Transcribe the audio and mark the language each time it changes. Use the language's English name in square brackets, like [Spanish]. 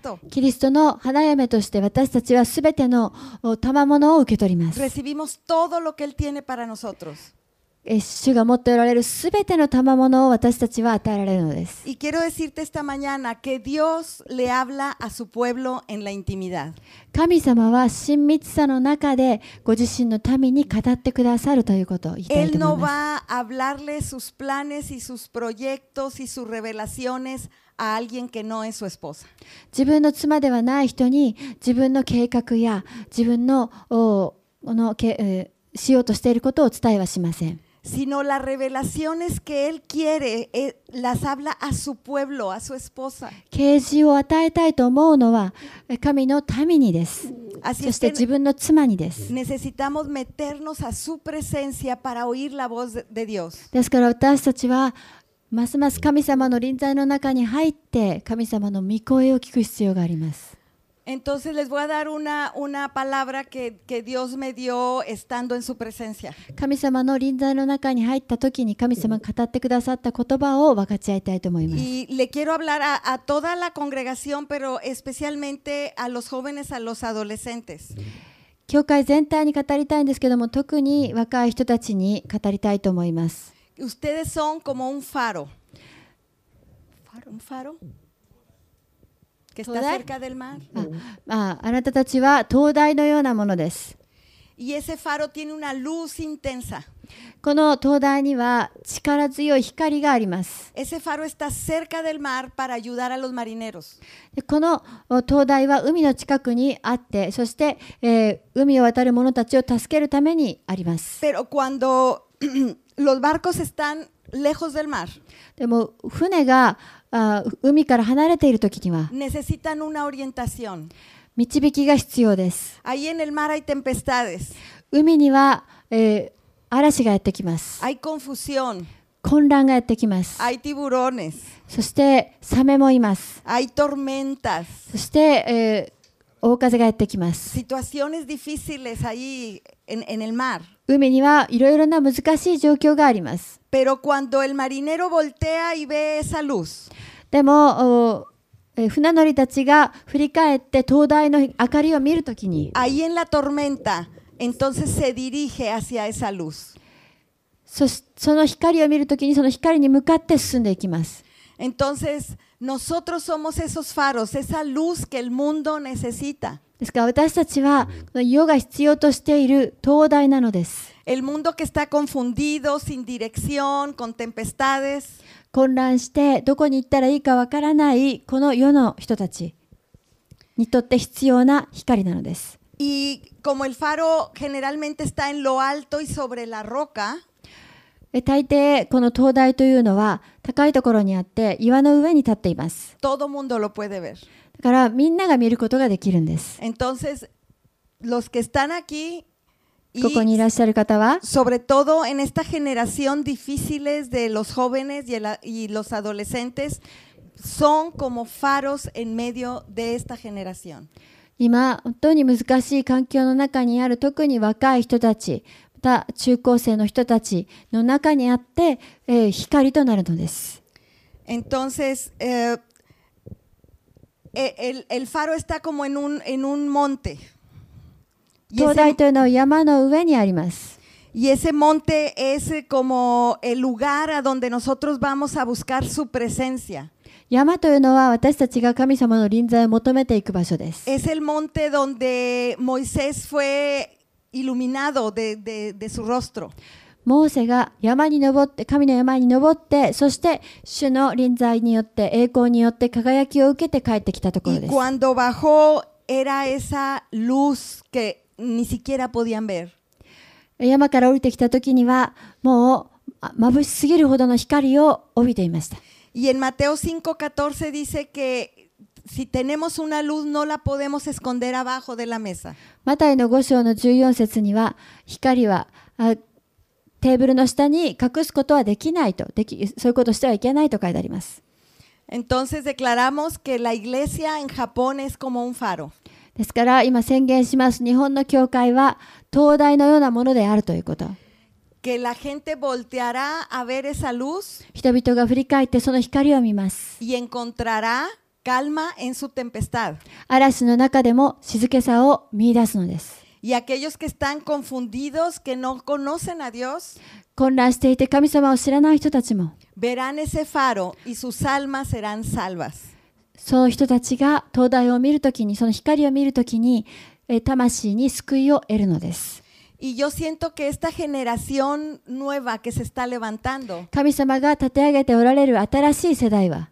[Japanese] キリストの花嫁として私たちはすべての賜物を受け取ります。 [Spanish] Recibimos todo lo que él tiene para nosotros. [Japanese] 主が持っておられるすべての賜物を私たちは与えられるのです。 [Spanish] Y quiero decirte esta mañana que Dios le habla a su pueblo en la intimidad. [Japanese] 神様は親密さの中でご自身の民に語ってくださるということを言いたいと思います。 [Spanish] Él no va a hablarle sus planes y sus proyectos y sus revelaciones. [Japanese] 自分の妻ではない人に自分の計画や自分 の, のけ、しようとしていることを伝えはしません。 [Spanish] Sino las revelaciones que él quiere, las habla a su pueblo, a su esposa. [Japanese] 啓示を与えたいと思うのは神の民にです。そして自分の妻にです。 [Spanish] Necesitamos meternos a su presencia para oír la voz de Dios. [Japanese] ですから私たちはますます神様の臨在の中に入って神様の御声を聞く必要があります。 [Spanish] Entonces les voy a dar una palabra que Dios me dio estando en su presencia. [Japanese] 神様の臨在の中に入った時に神様が語ってくださった言葉を分かち合いたいと思います。 [Spanish] Y le quiero hablar a toda la congregación, pero especialmente a los jóvenes, a los adolescentes. [Japanese] 教会全体に語りたいんですけども、特に若い人たちに語りたいと思います。 [Spanish] Ustedes son como un faro. ¿Un faro? Que está cerca del mar. [Japanese] あなたたちは灯台のようなものです。 [Spanish] Y ese faro tiene una luz intensa. [Japanese] この灯台には力強い光があります。 [Spanish] Ese faro está cerca del mar para ayudar a los marineros. [Japanese] この灯台は海の近くにあって、そして、海を渡る者たちを助けるためにあります。 [Spanish] Pero cuando Los barcos están lejos del mar. [Japanese] でも船が海から離れている時には [Spanish] Necesitan una orientación. [Japanese] 導きが必要です。 [Spanish] Ahí en el mar hay tempestades. [Japanese] 海には、嵐がやってきます。 [Spanish] Hay confusión. [Japanese] 混乱がやってきます。 [Spanish] Hay tiburones. [Japanese] そしてサメもいます。 [Spanish] Hay tormentas. [Japanese] そして、大風がやってきます。 [Spanish] Situaciones difíciles ahí en el mar. [Japanese] 海にはいろいろな難しい状況があります。 [Spanish] Pero cuando el marinero voltea y ve esa luz, [Japanese] でも船乗りたちが振り返って灯台の明かりを見るときに [Spanish] ahí en la tormenta, entonces se dirige hacia esa luz. [Japanese] その光を見るときにその光に向かって進んでいきます。 [Spanish] Entonces nosotros somos esos faros, esa luz que el mundo necesita [Japanese] ですから私たちは世が必要としている灯台なのです。 [Spanish] El mundo que está confundido, sin dirección, con tempestades. [Japanese] 混乱してどこに行ったらいいかわからないこの世の人たちにとって必要な光なのです。 [Spanish] Y como el faro generalmente está en lo alto y sobre la roca, [Japanese] 大抵この灯台というのは高いところにあって岩の上に立っています。 [Spanish] Todo mundo lo puede ver. [Japanese] だからみんなが見ることができるんです。 [Spanish] Entonces, los que están aquí, [Japanese] ここにいらっしゃる方は [Spanish] sobre todo en esta generación difíciles de los jóvenes y los adolescentes son como faros en medio de esta generación. [Japanese] 今本当に難しい環境の中にある特に若い人たち、また中高生の人たちの中にあって、光となるのです。 [Spanish] Entonces, El faro está como en un monte. [Japanese] 灯台というのは山の上にあります。 [Spanish] Y ese monte es como el lugar a donde nosotros vamos a buscar su presencia. [Japanese] 山というのは私たちが神様の臨在を求めていく場所です。 [Spanish] Es el monte donde Moisés fue iluminado de su rostro. [Japanese] モーセが山に登って神の山に登ってそして主の臨在によって栄光によって輝きを受けて帰ってきたところです。 [Spanish] Cuando bajó era esa luz que ni siquiera podían ver. [Japanese] 山から降りてきた時にはもう眩しすぎるほどの光を帯びていました。 [Spanish] Y en Mateo 5:14 dice que si tenemos una luz no la podemos esconder abajo de la mesa. [Japanese] マタイの5章の14節には光はテーブルの下に隠すことはできないと、そういうことしてはいけないと書いてあります。 [Spanish] Entonces declaramos que la iglesia en Japón es como un faro. [Japanese] ですから今宣言します。日本の教会は灯台のようなものであるということ。 [Spanish] Que la gente volteará a ver esa luz. [Japanese] 人々が振り返ってその光を見ます。 [Spanish] Y encontrará calma en su tempestad. [Japanese] 嵐の中でも静けさを見出すのです。 [Spanish] Y aquellos que están confundidos, que no conocen a Dios, [Japanese] 混乱していて神様を知らない人たちも [Spanish] verán ese faro y sus almas serán salvas. [Japanese] その人たちが灯台を見るときに、その光を見るときに、魂に救いを得るのです。 [Spanish] Y yo siento que esta generación nueva que se está levantando, [Japanese] 神様が立て上げておられる新しい世代は